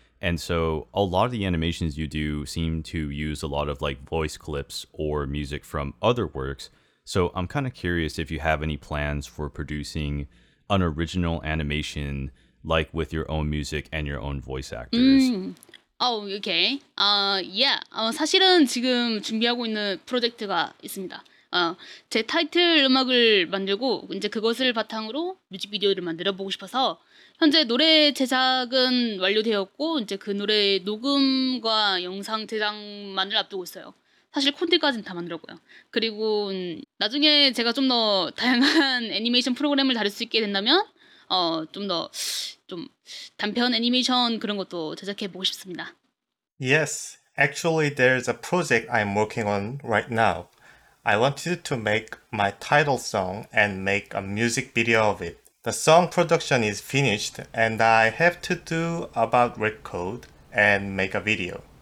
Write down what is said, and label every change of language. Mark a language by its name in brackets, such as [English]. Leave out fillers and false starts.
[English] And so a lot of the animations you do seem to use a lot of like voice clips or music from other works. So I'm kind of curious if you have any plans for producing an original animation, like with your own music and your own voice actors. Oh, okay. Yeah. [Korean] 사실은 지금 준비하고 있는 프로젝트가 있습니다. 제 타이틀 음악을 만들고 이제 그것을 바탕으로 뮤직비디오를 만들어 보고 싶어서 현재 노래 제작은 완료되었고 이제 그 노래 녹음과 영상 제작만을 앞두고 있어요. 사실 콘텐츠까지는 다 만들었고요. 그리고 나중에 제가 좀 더 다양한 애니메이션 프로그램을 다룰 수 있게 된다면 좀 더 좀 단편 애니메이션 그런 것도 제작해 보고 싶습니다. [English] Yes, actually there's a project I'm working on right now. I wanted to make my title song and make a music video of it. The song production is finished and I have to do about record and make a video.